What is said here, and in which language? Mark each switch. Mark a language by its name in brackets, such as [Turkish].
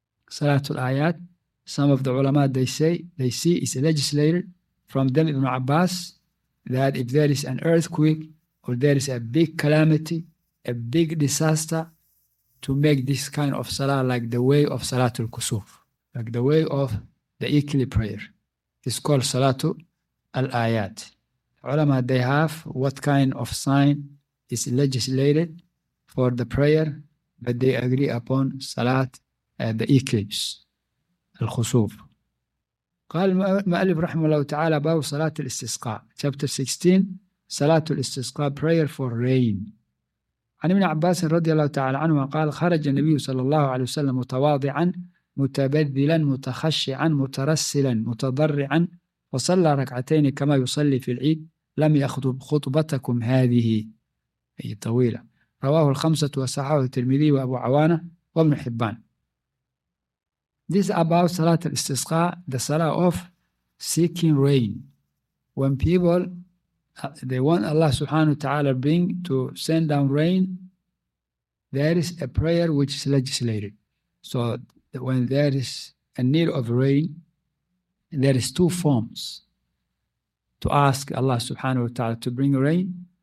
[English] Salatul Ayat, some of the ulama, they see it's legislated from them Ibn Abbas that if there is an earthquake or there is a big calamity, a big disaster, to make this kind of salah like the way of Salatul Kusuf, like the way of the eclipse prayer. It's called Salatu al-Ayat. Ulama, they have what kind of sign is legislated for the prayer, but they agree upon Salat and the eclipse, al-Khusuf. [Arabic] قال المؤلف رحمه الله تعالى باب صلاة الاستسقاء. [English] Chapter 16, Salatu al-Istisqa, prayer for rain. [Arabic] عن ابن عباس رضي الله تعالى عنه قال خرج النبي صلى الله عليه وسلم متواضعا متبذلا متخشعا مترسلا متضرعا وصلى ركعتين كما يصلي في العيد لم يخطب خطبتكم هذه أي طويلة رواه الخمسة وصححه الترمذي وأبو عوانة وابن حبان. [English] This about صلاة الاستسقاء, the salah of seeking rain. When people they want Allah subhanahu wa ta'ala bring to send down rain, there is a prayer which is legislated. So when there is a need of rain, there is two forms to ask Allah subhanahu wa ta'ala to bring rain.